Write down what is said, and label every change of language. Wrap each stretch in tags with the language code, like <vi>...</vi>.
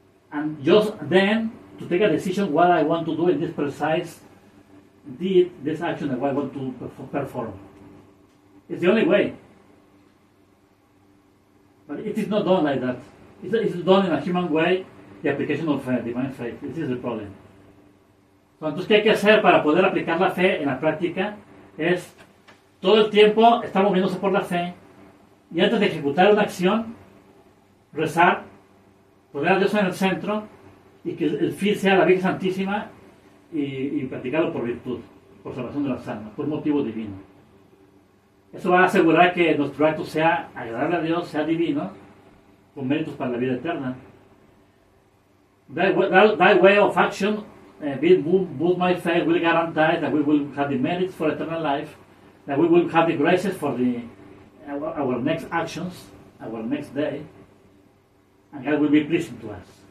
<en>And just then, to take a decision what I want to do in this precise deed, this action that I want to perform. It's the only way. But it is not done like that. It's done in a human way, the application of divine faith. This is the problem.</en> <es>Entonces, ¿qué hay que hacer para poder aplicar la fe en la práctica? Es, todo el tiempo estar moviéndose por la fe, y antes de ejecutar una acción, rezar, poner a Dios en el centro, y que el fin sea la Virgen Santísima, y practicarlo por virtud, por salvación de las almas, por motivo divino. Eso va a asegurar que nuestro acto sea agradable a Dios, sea divino, con méritos para la vida eterna.</es> <en>That way of action, both my faith will guarantee that we will have the merits for eternal life, that we will have the graces for our next actions, our next day, and God will be pleasing to us.</en>